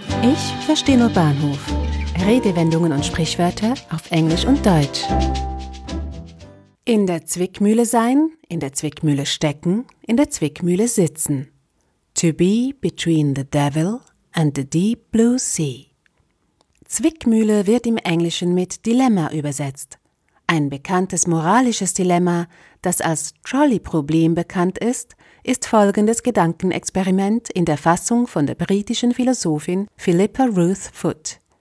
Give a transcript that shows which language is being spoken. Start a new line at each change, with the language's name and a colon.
German: Ich verstehe nur Bahnhof. Redewendungen und Sprichwörter auf Englisch und Deutsch. In der Zwickmühle sein, in der Zwickmühle stecken, in der Zwickmühle sitzen.
English: To be between the devil and the deep blue sea.
German: Zwickmühle wird im Englischen mit Dilemma übersetzt. Ein bekanntes moralisches Dilemma, das als Trolley-Problem bekannt ist, ist folgendes Gedankenexperiment in der Fassung von der britischen Philosophin Philippa Ruth Foote.